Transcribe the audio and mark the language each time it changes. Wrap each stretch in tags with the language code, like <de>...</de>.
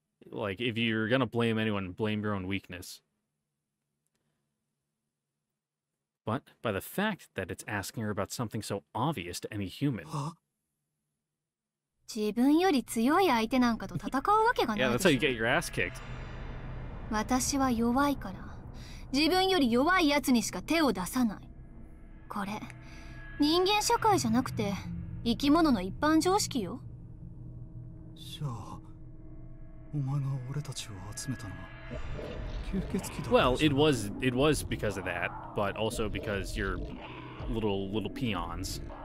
<en>Like, if you're gonna blame anyone, blame your own weakness. But by the fact that it's asking her about something so obvious to any human. Yeah, that's how you get your ass kicked.</en> <ja>私は弱いから自分より弱いやつにしか手を出さない。これ人間社会じゃなくて生き物の一般常識よ。そう。お前が俺たちを集めたのは吸血鬼だ。</ja> <en>Well, it was because of that, but also because you're little peons.</en>